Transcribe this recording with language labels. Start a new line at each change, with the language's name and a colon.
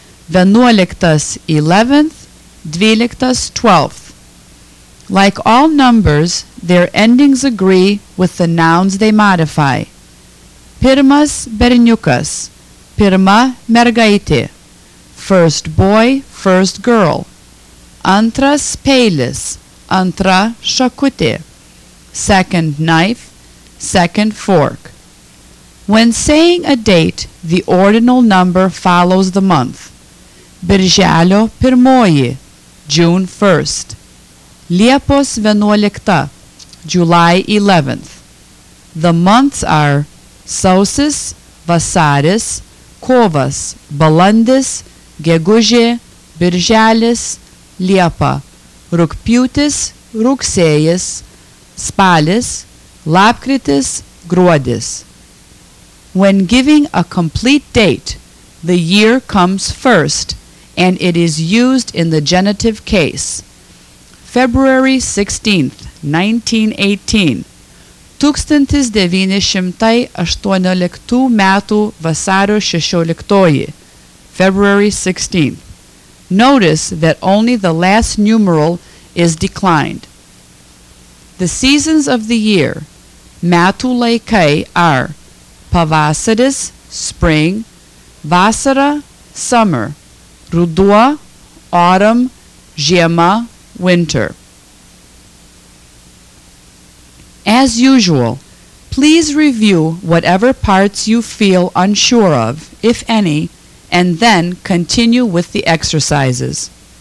Lithuanian: Vienuoliktas, eleventh. Dvyliktas, twelfth.
English: Like all numbers, their endings agree with the nouns they modify.
Lithuanian: Pirmas, berniukas. Pirma, mergaitė.
English: First boy, first girl.
Lithuanian: Antras, peilis. Antra, šakutė.
English: Second knife, second fork. When saying a date, the ordinal number follows the month.
Lithuanian: Birželio pirmoji,
English: June 1st.
Lithuanian: Liepos vienuolikta,
English: July 11th. The months are
Lithuanian: sausis, vasaris, kovas, balandis, gegužė, birželis, liepa, rugpjūtis, rugsėjis, spalis, lapkritis, gruodis.
English: When giving a complete date, the year comes first, and it is used in the genitive case. February 16th, 1918.
Lithuanian: 1918 metų vasario 16.
English: February 16th. Notice that only the last numeral is declined. The seasons of the year.
Lithuanian: Metų laikai
English: are pavasaris, spring, vasara, summer, ruduo, autumn, žiema, winter. As usual, please review whatever parts you feel unsure of, if any, and then continue with the exercises.